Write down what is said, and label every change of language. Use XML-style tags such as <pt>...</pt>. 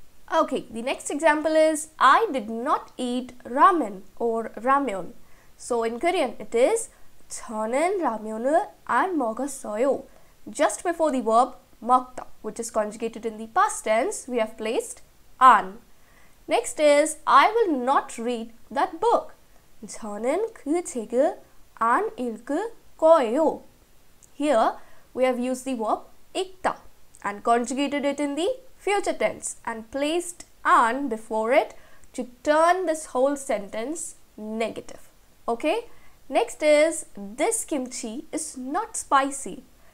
<en>Okay, the next example is, I did not eat ramen or ramyeon. So in Korean, it is</en> <ko>저는 ramyeon을 안 먹었어요.</ko> <en>Just before the verb 먹다, which is conjugated in the past tense, we have placed 안. Next is, I will not read that book.</en> <ko>저는 그 책을 안 읽을 거예요.</ko> <en>Here, we have used the verb 읽다 and conjugated it in the future tense and placed an before it to turn this whole sentence negative. Okay, next is, this kimchi is not spicy.</en>